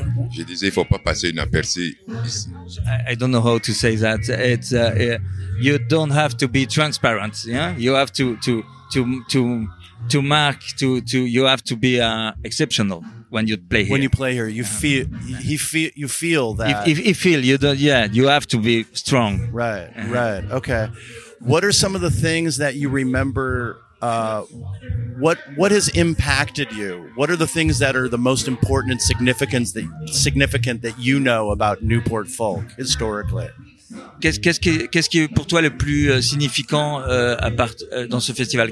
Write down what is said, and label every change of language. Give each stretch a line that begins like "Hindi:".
French: Je disais, il faut pas passer inaperçu ici.
English: I don't know how to say that. It's you don't have to be transparent. Yeah, you have to mark to you have to be exceptional when you play here. When you play here, you feel that. If feel you don't. Yeah, you have to be strong. Right. Right. Okay. What are some of the things that you remember? What has impacted you? What are the things that are the most important and significant that you know about Newport folk historically?
French: Qu'est-ce qui est pour toi le plus significant à part dans ce festival?